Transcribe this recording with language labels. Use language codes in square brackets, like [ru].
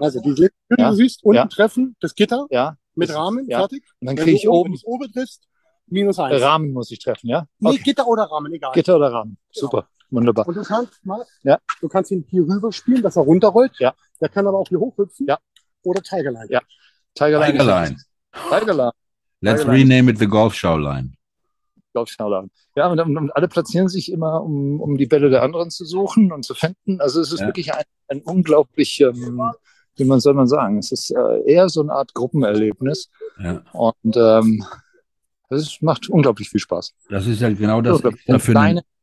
[de] Also die Lippen, du siehst, unten treffen, das Gitter mit Rahmen, fertig. Und dann kriege ich oben... Wenn du oben triffst, minus eins. Rahmen muss ich treffen, ja? Okay. Nee, Gitter oder Rahmen, egal. Gitter oder Rahmen, super. Genau. Wunderbar. Und du kannst ihn hier rüber spielen, dass er runterrollt. Ja. Der kann aber auch hier hochhüpfen. Ja. Oder Tiger Line. Ja. Tiger Line. [en] Let's rename it the Golf Show Line. [de] Golf Show Line. Ja, und alle platzieren sich immer, um die Bälle der anderen zu suchen und zu finden. Also es ist wirklich ein unglaublich, wie man soll man sagen, es ist eher so eine Art Gruppenerlebnis. Ja. Und es macht unglaublich viel Spaß. Das ist ja genau das, was ich dafür nehme.